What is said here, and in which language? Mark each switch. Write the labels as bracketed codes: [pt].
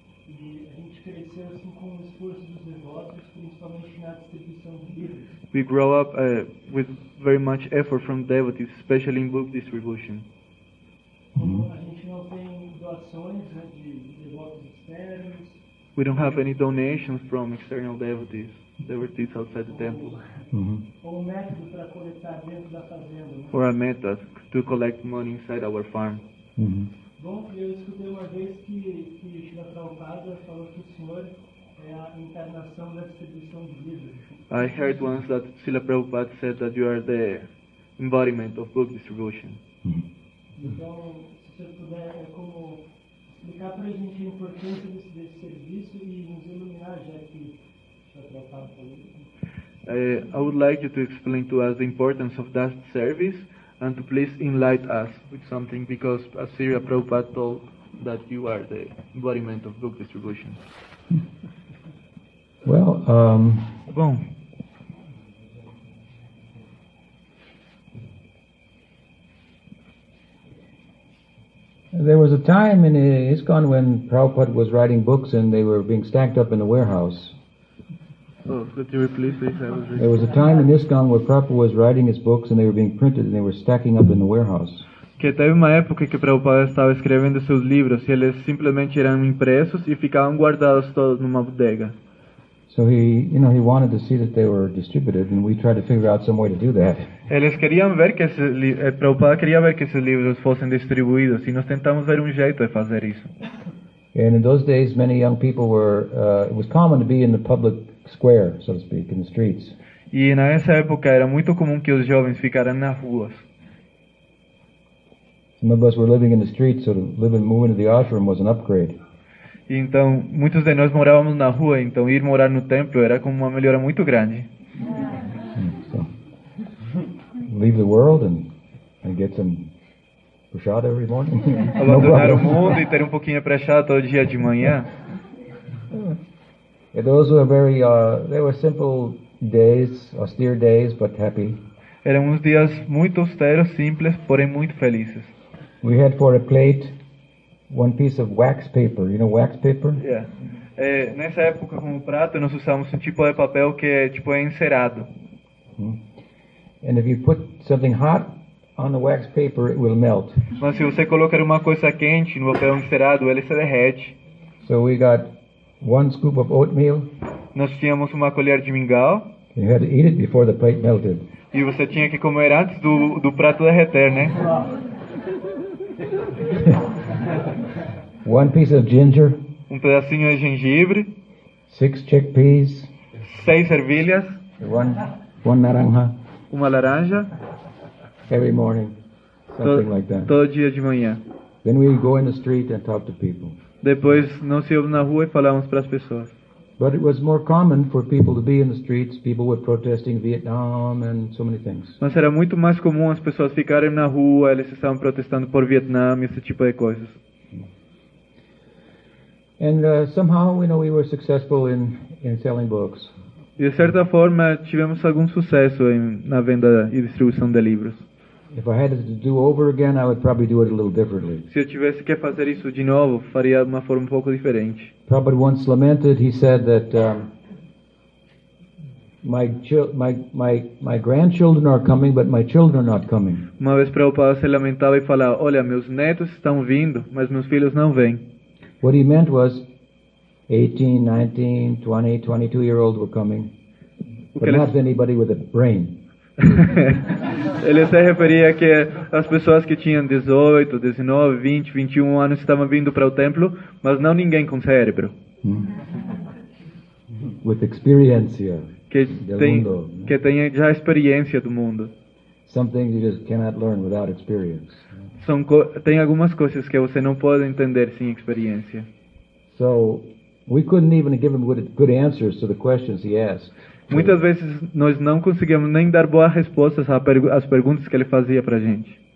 [pt] E a gente cresceu assim com o esforço dos devotos, principalmente na distribuição de livros. [en] We grow up with very much effort from devotees, especially in book distribution. [pt] A gente não tem doações, né, de devotos externos. [en] We don't have any donations from external devotees outside the temple. Mm-hmm. Or a method to collect money inside our farm. Mm-hmm. I heard once that Srila Prabhupada said that you are the embodiment of book distribution. Mm-hmm. [pt] Explicar para a gente a importância desse serviço e nos iluminar, já que já tratado. [en] I would like you to explain to us the importance of that service and to please enlighten us with something, because Srila Prabhupada told that you are the embodiment of book distribution. Well, [pt] bom. [en] There was a time in ISKCON when Prabhupada was writing books and they were being stacked up in the warehouse. Oh, could you please say that? There was a time in ISKCON where Prabhupada was writing his books and they were being printed and they were stacking up in the warehouse. [pt] Que teve uma época que Prabhupada estava escrevendo seus livros e eles simplesmente eram impressos e ficavam guardados todos numa bodega. [en] So he, you know, he wanted to see that they were distributed, and we tried to figure out some way to do that. [pt] Eles queriam ver que esse Prabhupada queria ver que esses livros fossem distribuídos, e nós tentamos ver jeito de fazer isso. [en] And in those days, many young people were. It was common to be in the public square, so to speak, in the streets. [pt] E nessa época era muito comum que os jovens ficaram nas ruas. [en] Some of us were living in the streets, so moving to the ashram was an upgrade. [pt] Então, muitos de nós morávamos na rua, então ir morar no templo era como uma melhora muito grande. [en] Leave the world and get some prashad every morning. [pt] Abandonar o mundo e ter pouquinho de prashad todo dia de manhã. [en] Those were very, they were simple days, austere days, but happy. [pt] Eram uns dias muito austeros, simples, porém muito felizes. [en] We had for a plate one piece of wax paper, you know, wax paper? [pt] Yeah. Nessa época, como prato, nós usamos tipo de papel que tipo é encerado. [en] And if you put something hot on the wax paper, it will melt. [pt] Mas se você colocar uma coisa quente no papel encerado, ele se derrete. [en] So we got one scoop of oatmeal. [pt] Nós tínhamos uma colher de mingau. [en] You had to eat it before the plate melted. [pt] E você tinha que comer antes do prato derreter, né? [en] One piece of ginger. [pt] Pedacinho de gengibre. [en] Six chickpeas. [pt] Seis ervilhas. [en] One naranja. [pt] Uma laranja. [en] Every morning. Something like that. [pt] Todo dia de manhã. [en] Then we go in the street and talk to people. [pt] Depois nós íamos na rua e falávamos para as pessoas. [en] But it was more common for people to be in the streets. People were protesting Vietnam and so many things. [pt] Mas era muito mais comum as pessoas ficarem na rua, eles estavam protestando por Vietnam e esse tipo de coisas. [en] And somehow, you know, we were successful in selling books. [pt] De certa forma, tivemos algum sucesso na venda e distribuição de livros. [en] If I had to do over again, I would probably do it a little differently. [pt] Se eu tivesse que fazer isso de novo, faria de uma forma pouco diferente. [en] Prabhupada once lamented, he said that my grandchildren are coming, but my children are not coming. [pt] Uma vez Prabhupada se lamentava e falava, olha, meus netos estão vindo, mas meus filhos não vêm. [en] What he meant was 18, 19, 20, 22-year-olds were coming, but not anybody with a brain. [pt] Ele se referia que as pessoas que tinham 18, 19, 20, 21 anos estavam vindo para o templo, mas não ninguém com cérebro. [en] With experiência [pt] que tenha já experiência do mundo. [en] Some things you just cannot learn without experience. [pt] Tem algumas coisas que você não pode entender sem experiência. [en] So we couldn't even give him good answers to the questions he asked. [pt] Muitas vezes nós não conseguimos nem dar boas respostas às perguntas que ele fazia para a gente.